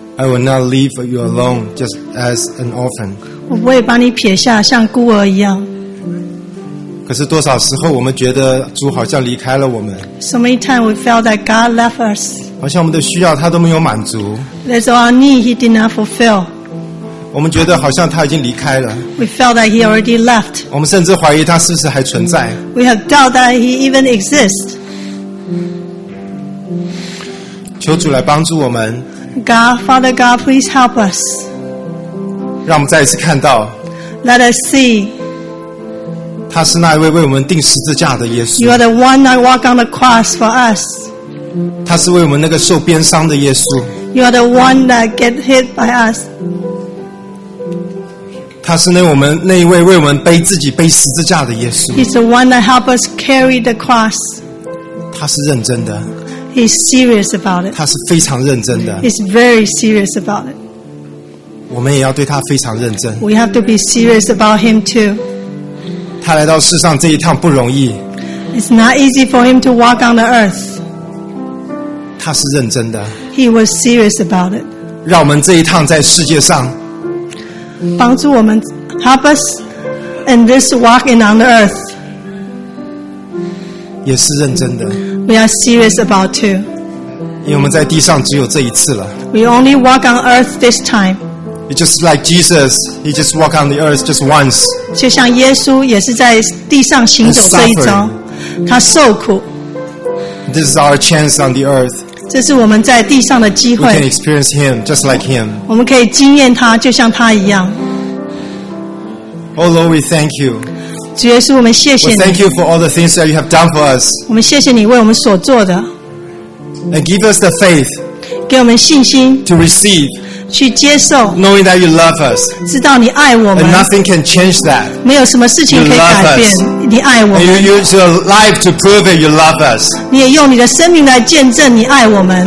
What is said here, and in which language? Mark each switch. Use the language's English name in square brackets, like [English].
[English] I will not leave you alone just as an orphan. [Chinese] 我不会把你撇下, 像孤儿一样。可是多少时候我们觉得主好像离开了我们。 [English] So many times we felt that God left us. [Chinese] 好像我们的需要他都没有满足。 [English] That's all our need he did not fulfill. [Chinese] 我们觉得好像他已经离开了。 [English] We felt that he already left. [Chinese] 我们甚至怀疑他是不是还存在。 [English] We have doubt that he even exists. [Chinese] 求主来帮助我们。 [English] God, Father God, please help us. [Chinese] 让我们再一次看到。 [English] Let us see. [Chinese] 他是那一位为我们钉十字架的耶稣。 [English] You are the one that walked on the cross for us. [Chinese] 他是为我们那个受鞭伤的耶稣。 [English] You are the one that get hit by us. [Chinese] 他是那一位为我们背自己背十字架的耶稣。 [English] He's the one that help us carry the cross. [Chinese] 他是认真的。 [English] He's serious about it. [Chinese] 他是非常认真的。 [English] He's very serious about it. [Chinese] 我们也要对他非常认真。 [English] We have to be serious about him too. [Chinese] 他来到世上这一趟不容易。 [English] It's not easy for him to walk on the earth. [Chinese] 他是认真的。 [English] He was serious about it. [Chinese] 让我们这一趟在世界上，帮助我们 [English] ，help us in this walking on the earth. [Chinese] 也是认真的。 [English] We are serious about too. [Chinese] 因为我们在地上只有这一次了。 [English] We only walk on earth this time. It's just like Jesus. He just walked on the earth just once. [Chinese] 就像耶稣也是在地上行走这一遭，他受苦。 [English] This is our chance on the earth. [Chinese] 这是我们在地上的机会。 [English] We can experience Him just like Him. [Chinese] 我们可以经验他，就像他一样。 [English] Oh Lord, we thank you. [Chinese] 主耶稣，我们谢谢你。 [English] We thank you for all the things that you have done for us. [Chinese] 我们谢谢你为我们所做的。 [English] And give us the faith. [Chinese] 给我们信心。 [English] To receive. [Chinese] 去接受 [English] knowing that you love us, [Chinese] 知道你爱我们 [English] and nothing can change that. [Chinese] 没有什么事情可以改变 [English] you love us. [Chinese] 你爱我们 [English] you use your life to prove it you love us. [Chinese] 你也用你的生命来见证你爱我们